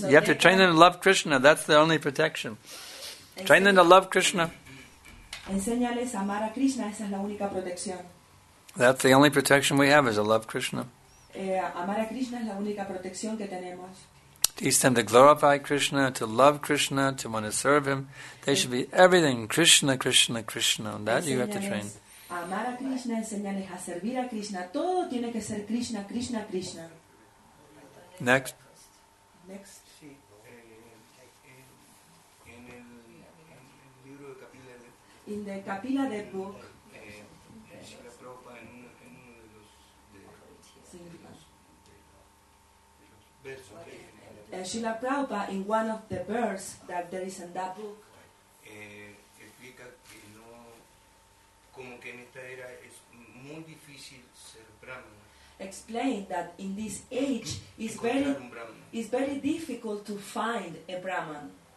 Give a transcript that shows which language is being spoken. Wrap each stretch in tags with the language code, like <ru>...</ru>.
<en>So you have to train them to love Krishna. That's the only protection. Train them to love Krishna.</en> <es>Enséñales a amar a Krishna. Esa es la única protección.</es> <en>That's the only protection we have, is to love Krishna.</en> <es>Amar a Krishna es la única protección que tenemos.</es> <en>Teach them to glorify Krishna, to love Krishna, to want to serve Him. They should be everything. Krishna, Krishna, Krishna. That you have to train.</en> <es>Amar a Krishna, enseñales a servir a Krishna. Todo tiene que ser Krishna, Krishna, Krishna.</es> <en>Next. Next.</en> <es>Sí. En el libro de Kapila.</es> <en>In the Kapila Dev book. Srila Prabhupada, in one of the verses that there is in that book,</en> <es>explica que no, como que en esta era es muy difícil ser Brahmana.</es> <en>Explain that in this age it's very difficult to find a Brahman.</en>